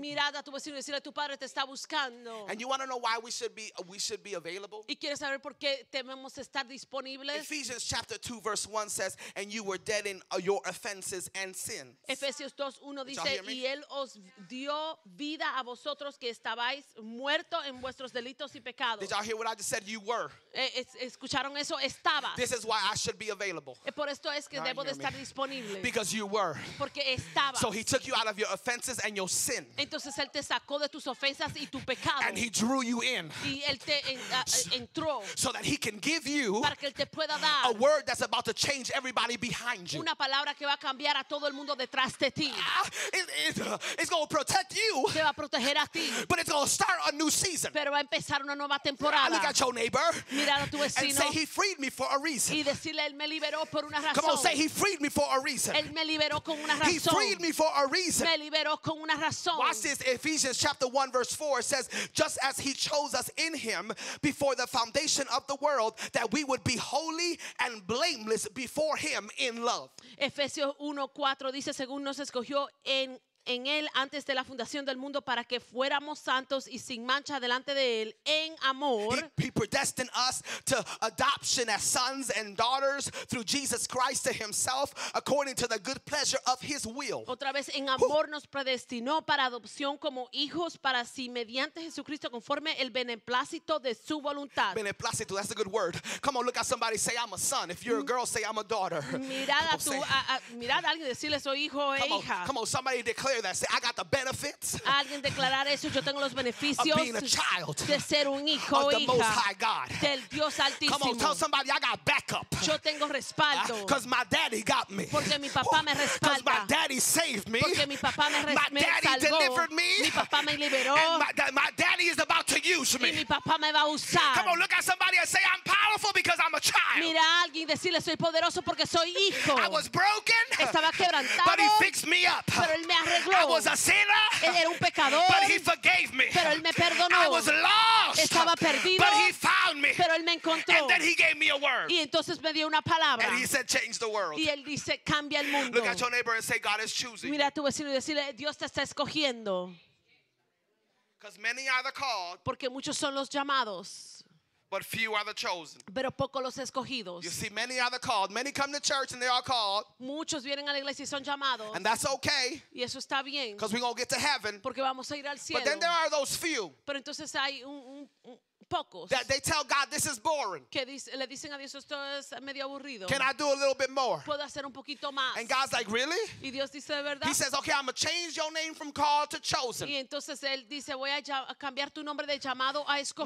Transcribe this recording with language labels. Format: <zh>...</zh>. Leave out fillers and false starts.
<es>Mirad a tu vecino y decirle, tu Padre te está buscando.</es> <en>And you want to know why we should be available?</en> <es>Y quieres saber por qué debemos estar disponibles.</es> <en>Ephesians chapter 2 verse 1 says, and you were dead in your offenses and sins.</en> <es>Efesios 2:1 dice, y él os dio vida a vosotros que estabais muertos en vuestros delitos y pecados.</es> <en>Did y'all hear what I just said? You were.</en> <es>Escucharon eso, estaba.</es> <en>This is why I should be available.</en> <es>Por esto es que debo de estar disponible.</es> <en>Because you were.</en> <es>Porque estaba.</es> <en>So he took you out of your offenses and your sin.</en> <es>Entonces él te sacó de tus ofensas y tu pecado.</es> <en>And he drew you in.</en> <es>Y él te entró.</es> <en>So that he can give you</en> <es>para que él te pueda dar</es> <en>a word that's about to change everybody behind you.</en> <es>Una palabra que va a cambiar a todo el mundo detrás de ti.</es> <en>It's going to protect you.</en> <es>Te va a proteger a ti.</es> <en>But it's going to start a new season.</en> <es>Pero va a empezar una nueva temporada.</es> <en>Look at your neighbor.</en> <es>Mira a tu vecino.</es> <en>And say he freed me for a reason.</en> <es>Y decirle, él me liberó por una razón.</es> <en>Come on, say he freed me for a reason.</en> <es>Él me liberó con una razón.</es> <en>He freed me for a reason.</en> <es>Me liberó con una razón.</es> <en>Watch this. Ephesians chapter 1 verse 4 says, just as he chose us in him before the foundation of the world that we would be holy and blameless before him in love.</en> <es>Efesios 1:4 dice, según nos escogió en él antes de la fundación del mundo para que fuéramos santos y sin mancha delante de él en amor.</es> <en>He predestined us to adoption as sons and daughters through Jesus Christ to himself according to the good pleasure of his will.</en> <es>Otra vez, en amor nos predestinó para adopción como hijos para sí mediante Jesucristo conforme el beneplácito de su voluntad.</es> <en>Beneplácito, that's a good word. Come on, look at somebody, say I'm a son. If you're a girl, say I'm a daughter.</en> <es>Mirad a alguien, decirle soy hijo o hija.</es> <en>Come on, somebody declare declare that. Say, I got the benefits.</en> <es>Alguien declarar eso, yo tengo los beneficios</es> <en>of being a child</en> <es>de ser un hijo,</es> <en>of the</en> <es>hija</es> <en>Most High God.</en> <es>Del Dios Altísimo.</es> <en>Come on, tell somebody I got backup.</en> <es>Yo tengo respaldo.</es> <en>Because my daddy got me.</en> <es>Porque mi papá me respalda.</es> <en>Because my daddy saved me.</en> <es>Porque mi papá me</es> <en>My daddy</en> <es>salvó.</es> <en>Delivered me.</en> <es>Mi papá me liberó.</es> <en>And my daddy is about to use me.</en> <es>Y mi papá me va a usar.</es> <en>Come on, look at somebody and say, I'm powerful because I'm a child.</en> <es>Mira a alguien y decirle, soy poderoso porque soy hijo.</es> <en>I was broken.</en> <es>Estaba quebrantado.</es> <en>But he fixed me up.</en> <es>Pero él me arregló.</es> <en>I was a sinner.</en> <es>Él era un pecador.</es> <en>But he forgave me.</en> <es>Pero él me perdonó.</es> <en>I was lost.</en> <es>Estaba perdido.</es> <en>But he found me.</en> <es>Pero él me encontró.</es> <en>And then he gave me a word.</en> <es>Y entonces me dio una palabra.</es> <en>And he said, change the world.</en> <es>Y él dice, cambia el mundo.</es> <en>Look at your neighbor and say, God is choosing.</en> <es>Mira a tu vecino y decirle, Dios te está escogiendo.</es> <en>Because many are the called.</en> <es>Porque muchos son los llamados.</es> <en>But few are the chosen.</en> <es>Pero poco los escogidos.</es> <en>You see, many are the called. Many come to church and they are called.</en> <es>Muchos vienen a la iglesia y son llamados.</es> <en>And that's okay.</en> <es>Y eso está bien.</es> <en>Because we're going to get to heaven.</en> <es>Porque vamos a ir al cielo.</es> <en>But then there are those few.</en> <es>Pero entonces hay pocos.</es> <en>That they tell God, this is boring.</en> <es>Que le dicen a Dios, esto es medio aburrido.</es> <en>Can I do a little bit more?</en> <es>Puedo hacer un poquito más.</es> <en>And God's like, really?</en> <es>Y Dios dice, ¿de verdad?</es> <en>He says, okay, I'm going to change your name from called to chosen.</en> <es>Y entonces él dice, voy a cambiar tu nombre de llamado a escogido.</es>